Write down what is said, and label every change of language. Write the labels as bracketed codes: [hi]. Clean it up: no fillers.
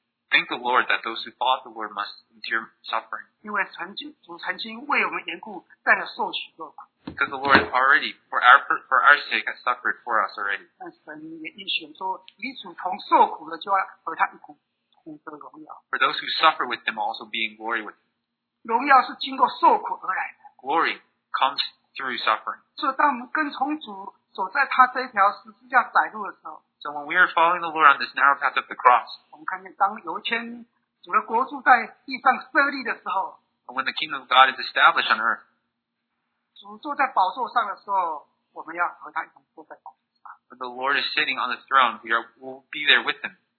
[en] Thank the Lord that those who follow the Lord must endure suffering. [zh] 因为主曾经为我们缘故，带来受许多苦。 [en] Because the Lord already for our sake has suffered for us already. [zh] 但神也应许说，与主同受苦的，就要和他一同得荣耀。 [en] For those who suffer with Him also be in glory with Him. [zh] 荣耀是经过受苦而来的。 [en] Glory comes through suffering. [zh] 所以当我们跟从主。走在他这条十字架窄路的时候, [en] so when we are following the Lord on this narrow path of the cross, [zh] 我们看见当有一天主的国柱在地上设立的时候, [en] and when the kingdom of God is established on earth, [zh] 主坐在宝座上的时候, 我们要和他一同坐在宝座上。 [en] When the Lord is sitting on the throne, we'll be there with him.